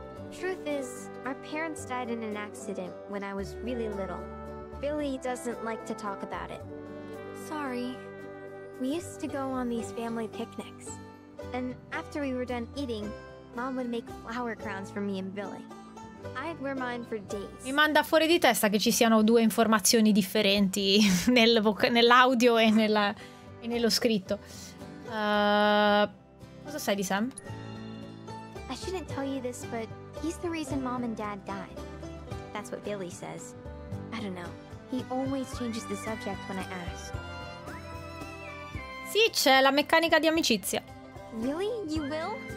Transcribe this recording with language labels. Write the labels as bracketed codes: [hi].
[en] Truth is, our parents died in an accident when I was really little. Billy doesn't like to talk about it. Sorry. We used to go on these family picnics. And after we were done eating, Mom would make flower crowns for me and Billy. I'd wear mine for days. [it] Mi manda fuori di testa che ci siano due informazioni differenti nell'audio e nello scritto. Cosa sai di Sam? [en] I shouldn't tell you this, but he's the reason Mom and Dad died. That's what Billy says. I don't know. He always changes the subject when I ask. [it] Sì, c'è la meccanica di amicizia. [en] Really? You will?